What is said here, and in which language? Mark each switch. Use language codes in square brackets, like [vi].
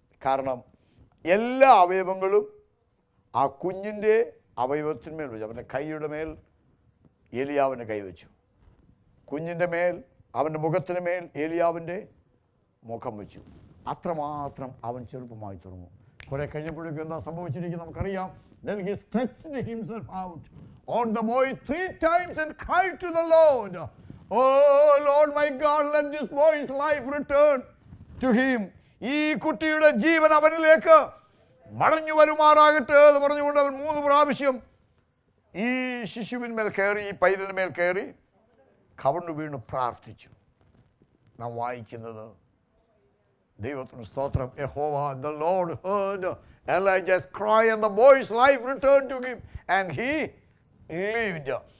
[ml] കാരണം എല്ലാ അവയവങ്ങളും ആ കുഞ്ഞിൻ്റെ അവയവത്തിന്മേൽ വെച്ചു. അവൻ്റെ കൈയുടെ മേൽ ഏലിയാവിൻ്റെ കൈ വെച്ചു, കുഞ്ഞിൻ്റെ മേൽ അവൻ്റെ മുഖത്തിന് മേൽ ഏലിയാവിൻ്റെ മുഖം വെച്ചു. അത്രമാത്രം അവൻ ചെറുപ്പമായി തീർന്നു. കുറേ കഴിഞ്ഞപ്പോഴേക്കും എന്താ സംഭവിച്ചിരിക്കുന്നത് നമുക്കറിയാം. [en] Then he stretched himself out on the boy 3 times and cried to the Lord. Oh Lord my God, let this boy's life return to him. [ml] ഈ കുട്ടിയുടെ ജീവൻ അവനിലേക്ക് മടങ്ങി വരുമാറാകട്ടെ എന്ന് പറഞ്ഞുകൊണ്ട് അവൻ 3 പ്രാവശ്യം ഈ ശിശുവിന്മേൽ കയറി, ഈ പൈതലിന്മേൽ കയറി കവണ്ണു വീണ് പ്രാർത്ഥിച്ചു. നാം വായിക്കുന്നത്, ദൈവത്തിന് സ്തോത്രം, [en] യഹോവ the lord heard Elijah's cry and the boy's life return to him and he lived.